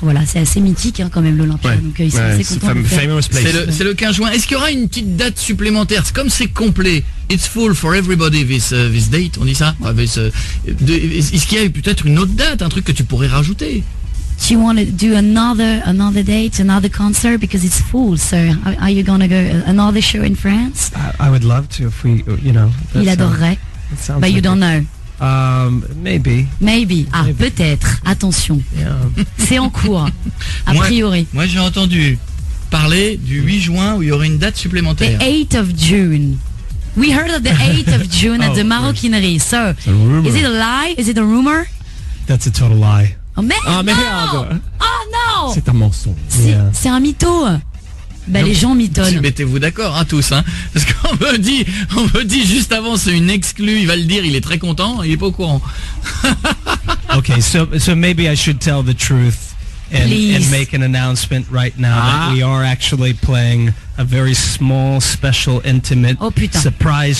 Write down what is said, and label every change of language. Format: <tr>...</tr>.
<fr>Voilà, c'est assez mythique hein, quand même l'Olympia. Ouais. Donc ils sont assez contents de le faire. C'est le 15 juin. Est-ce qu'il y aura une petite date supplémentaire? Comme c'est complet.</fr> <en>It's full for everybody this date.</en> <fr>On dit ça. Ouais. Enfin, est-ce qu'il y a peut-être une autre date, un truc que tu pourrais rajouter?</fr> <en>Do you want to do another date, another concert because it's full? So are you gonna go another show in France? I would love to if we, you know.</en> <fr>Il adorerait. But</fr> <en>like you don't know. Maybe. Maybe. Ah, maybe.</en> <fr>Peut-être. Attention.</fr> <en>Yeah.</en> <fr>C'est en cours. A priori. Moi, j'ai entendu parler du 8 juin où il y aurait une date supplémentaire.</fr> <en>The 8th of June. We heard of the 8th of June at the Maroquinerie. So, is it a lie? Is it a rumor? That's a total lie.</en> <fr>Oh merde! Oh non! C'est un mensonge. C'est un mytho. Bah, les gens mitonnent. Mettez-vous d'accord, hein, tous. Hein, parce qu'on me dit, juste avant, c'est une exclue. Il va le dire, il est très content. Il est pas au courant.</fr> <en>Ok, so maybe I should tell the truth and make an announcement right now that we are actually playing a very small, special, intimate surprise</en>